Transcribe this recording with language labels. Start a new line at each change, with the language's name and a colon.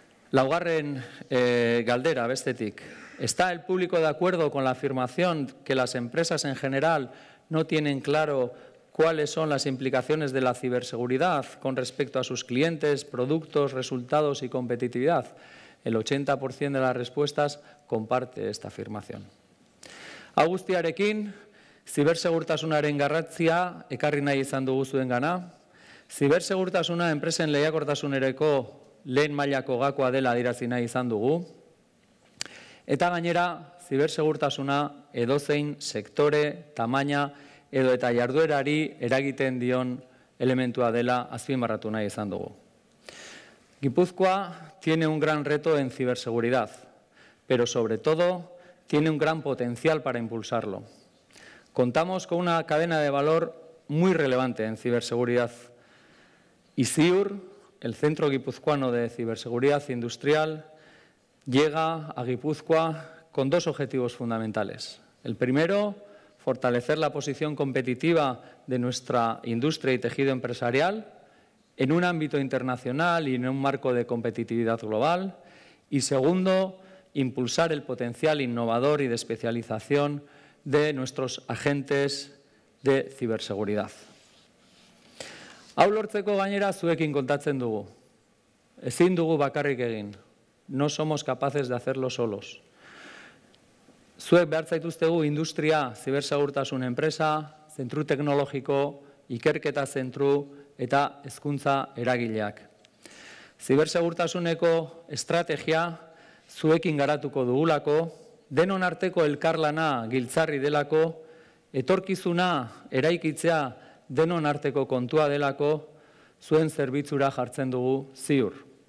Basque: Laugarren galdera bestetik.
Spanish: ¿Está el público de acuerdo con la afirmación que las empresas en general no tienen claro cuáles son las implicaciones de la ciberseguridad con respecto a sus clientes, productos, resultados y competitividad? El 80% de las respuestas comparte esta afirmación.
Basque: Agustiarekin, zibersegurtasunaren garrantzia ekarri nahi izan dugu zuen gana. Zibersegurtasuna enpresen lehiakortasunereko lehen mailako gakoa dela adierazi nahi izan dugu. Eta gainera, zibersegurtasuna edozein sektore, tamaina edo eta jarduerari eragiten dion elementua dela azpimarratu nahi izan dugu.
Spanish: Gipuzkoa tiene un gran reto en ciberseguridad, pero sobre todo tiene un gran potencial para impulsarlo. Contamos con una cadena de valor muy relevante en ciberseguridad. ICIUR, el Centro Guipuzcoano de Ciberseguridad Industrial, llega a Guipúzcoa con dos objetivos fundamentales. El primero, fortalecer la posición competitiva de nuestra industria y tejido empresarial en un ámbito internacional y en un marco de competitividad global. Y segundo, impulsar el potencial innovador y de especialización de nuestros agentes de ciberseguridad.
Basque: Hau lortzeko gainera zuekin kontatzen dugu. Ezin dugu bakarrik egin.
Spanish: No somos capaces de hacerlo solos.
Basque: Zuek behar zaituztegu industria, zibersegurtasun enpresa, zentru teknologiko, ikerketa zentru eta hezkuntza eragileak. Zibersegurtasuneko estrategia zuekin garatuko dugulako, denon arteko elkarlana giltzarri delako, etorkizuna eraikitzea denon arteko kontua delako, zuen zerbitzura jartzen dugu ziur.